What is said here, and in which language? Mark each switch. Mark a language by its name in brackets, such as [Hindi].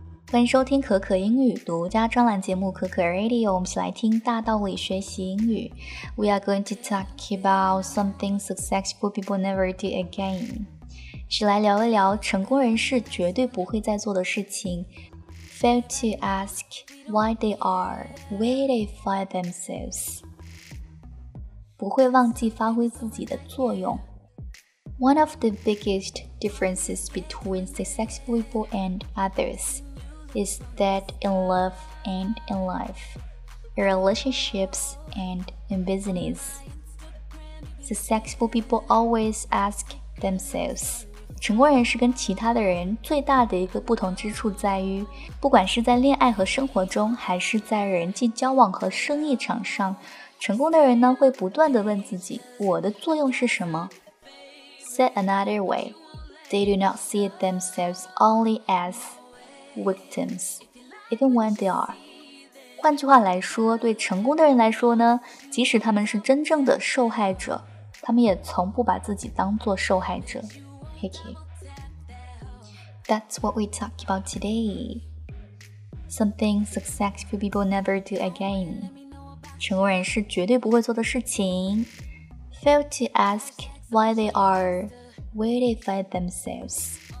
[Chinese] 欢迎收听可可英语独家专栏节目可可 Radio， 我们一起来听大道理学习英语。 [English] We are going to talk about something successful people never do again. [Chinese] 是来聊一聊成功人士绝对不会再做的事情。 [English] Fail to ask why they are where they find themselves. [Chinese] 不会忘记发挥自己的作用。 [English] One of the biggest differences between successful people and others is that in love and in life, in relationships and in business, successful people always ask themselves. [Chinese] 成功人士跟其他的人最大的一个不同之处在于，不管是在恋爱和生活中，还是在人际交往和生意场上，成功的人呢会不断地问自己，我的作用是什么？ [English] Said another way, they do not see themselves only as victims, even when they are. [Chinese] 换句话来说，对成功的人来说呢，即使他们是真正的受害者，他们也从不把自己当作受害者。 [English] Hickey. That's what we talk about today. Something successful people never do again. [Chinese] 成功人士绝对不会做的事情。 [English] Fail to askWhy they are where they find themselves.